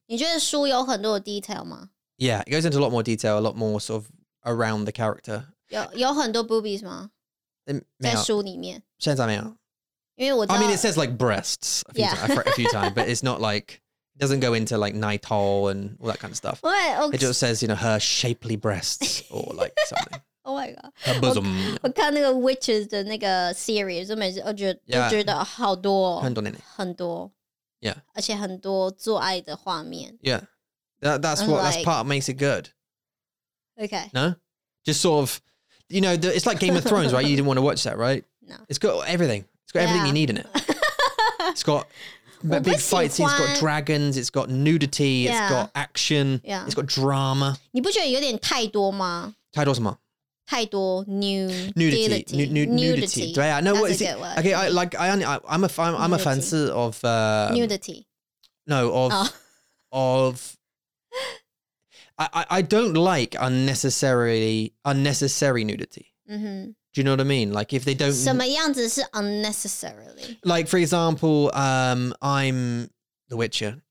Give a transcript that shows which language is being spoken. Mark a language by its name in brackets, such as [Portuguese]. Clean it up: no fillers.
[Chinese] 你觉得书有很多的detail吗？ [English] Yeah, it goes into a lot more detail, a lot more sort of around the character. [Chinese] 有很多boobies吗？在书里面。现在没有。因为我知道... [English] I mean, it says like breasts a few times, but it's not like... doesn't go into like Nighthall and all that kind of stuff. It just says, you know, her shapely breasts or like something. Oh my God. Her bosom. [Chinese] 我看那个 Witches 的那个 series, 我每次都觉得好多。很多。很多。 [English] Yeah. [Chinese] 而且很多做爱的画面。 [English] Yeah. That's part of makes it good. Okay. No? Just sort of, you know, it's like Game of Thrones, right? You didn't want to watch that, right? No. It's got everything. It's got everything you need in it. It's got... But big fights, it's got dragons, it's got nudity, it's got action, it's got drama. [Chinese] 你不觉得有点太多吗? 太多什么? 太多 [English] nudity. 对啊, no, that's what is a good it? Word. Okay, I'm a fan of nudity. No, of I don't like unnecessary nudity. Mm-hmm. Do you know what I mean? Like if they don't... [Chinese] 什么样子是 unnecessarily? [English] Like for example, I'm the Witcher.